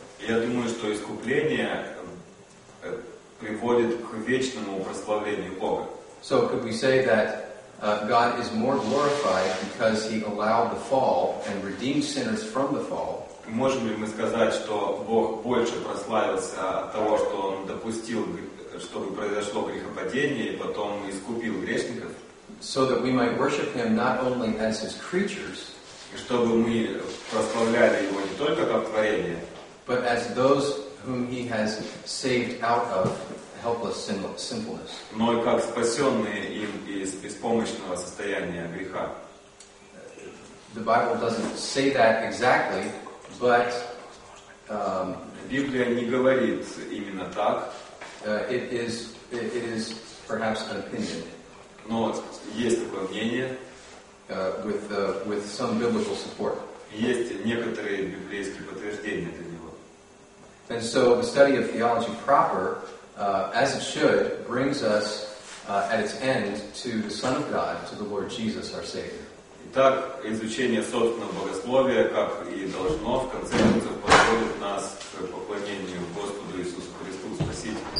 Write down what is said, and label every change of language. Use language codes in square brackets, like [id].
[ru] Я думаю, что искупление приводит к вечному прославлению Бога. [en] So could we say that God is more glorified because he allowed the fall and redeemed sinners from the fall? [ru] Можем ли мы сказать, что Бог больше прославился от того, что он допустил, чтобы произошло грехопадение, и потом искупил грешников? [en] So that we might worship him not only as his creatures, [ru] чтобы мы прославляли его не только как творение, [en] but as those whom he has saved out of helpless sinfulness. [ru] Но и как спасенные им из беспомощного состояния греха. [en] The Bible doesn't say that exactly, but [ru] Библия не говорит именно так. [en] It is perhaps an opinion. [ru] Но есть такое мнение. [en] With some biblical support. [ru] Есть некоторые библейские подтверждения для него. [en] And so the study of theology proper, as it should, brings us at its end to the Son of God, to the Lord Jesus, our Savior. [ru] Итак, изучение собственного богословия, как и должно, в конце концов, подводит нас к поклонению Господу Иисусу Христу, Спасителю.